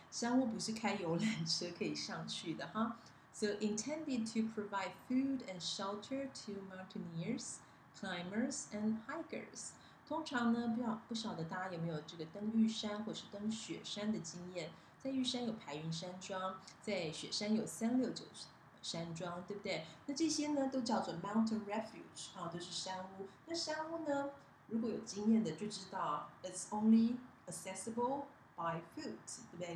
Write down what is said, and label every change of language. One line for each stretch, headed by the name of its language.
Chinese: 山屋不是开游览车可以上去的哈。
English: So intended to provide food and shelter to mountaineers, climbers, and hikers.
Chinese: 通常呢，不晓得大家有没有这个登玉山或是登雪山的经验。在玉山有排云山庄，在雪山有369山庄，对不对？那这些呢，都叫做 mountain refuge 啊，都是山屋。那山屋呢，如果有经验的就知道 ，
English: it's only accessible by foot，
Chinese: 对不对？